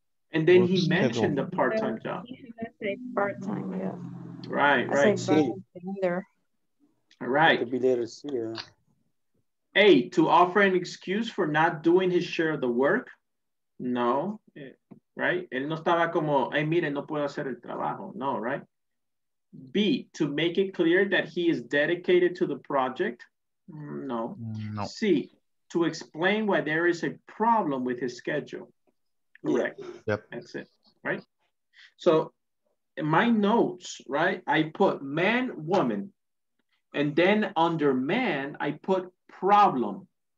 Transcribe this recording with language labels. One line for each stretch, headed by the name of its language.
English: And then he mentioned the part-time job. Part-time, yeah. Right. See. All right. To be there to see, yeah. A, to offer an excuse for not doing his share of the work. No, right?
Spanish: Él no estaba como, ay, mire, no puedo hacer el trabajo.
English: No, right? B, to make it clear that he is dedicated to the project. No. No. C, to explain why there is a problem with his schedule. Correct. Yep. That's it, right? So in my notes, right, I put man, woman, and then under man, I put problem.